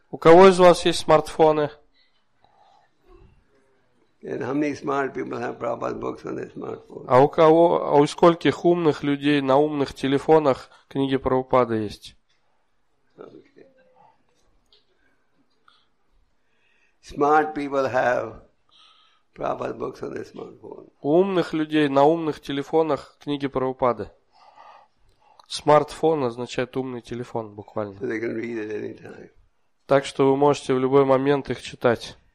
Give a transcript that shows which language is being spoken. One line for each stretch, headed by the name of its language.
Russian: У кого из вас есть смартфоны?
English: And how many smart people have Prabhupada's books on their smartphones?
Russian: А у кого, а у скольких умных людей на умных телефонах книги Прабхупады есть?
English: Smart people have Prabhupada's books on their smartphone.
Russian: У умных людей на умных телефонах книги Прабхупады. Смартфон означает умный телефон, буквально.
English: So they can read it anytime.
Russian: Так что вы можете в любой момент их читать.